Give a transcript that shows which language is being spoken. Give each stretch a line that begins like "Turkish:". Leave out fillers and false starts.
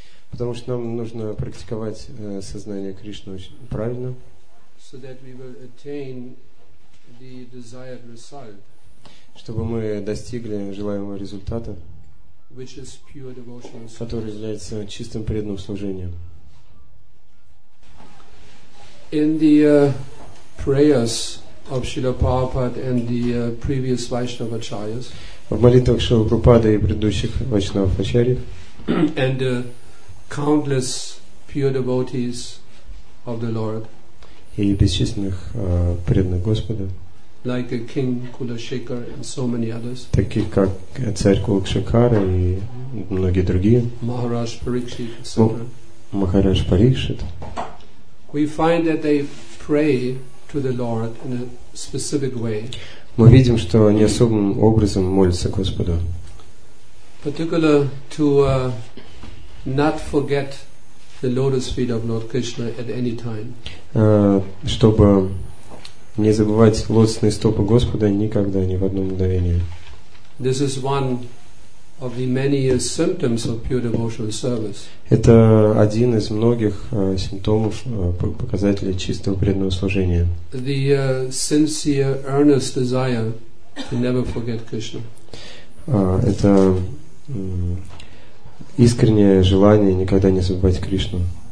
Russian: Потому что нам нужно практиковать сознание Кришны очень правильно.
English: So that we will attain the desired result.
Russian: Чтобы мы достигли желаемого результата,
English: which is pure devotional service.
Russian: Который является чистым преданным служением.
English: In the prayers of Srila Prabhupada and the previous Vaishnava Acharyas.
Russian: В молитвах Шрилы Прабхупады и предыдущих Вайшнава Ачарьев.
English: And countless pure devotees of the Lord.
Russian: И бесчисленных преданных Господа.
English: Like a King Kulashekar and so many others.
Russian: Таких как царь Кулакшекара и многие другие.
English: Maharaj Parikshit.
Russian: Махарадж Парикшит.
English: We find that they pray to the Lord in a specific way.
Russian: Мы видим, что они особым образом молятся Господу.
English: Particularly to not forget the lotus feet of Lord Krishna at any time.
Russian: Чтобы не забывать лотосные стопы Господа никогда, ни в одно мгновение.
English: This is one of the many symptoms of pure devotional service.
Russian: Это один из многих симптомов, показателей чистого преданного служения.
English: The sincere, earnest desire to never forget Krishna.
Russian: Это искреннее желание никогда не забывать Кришну.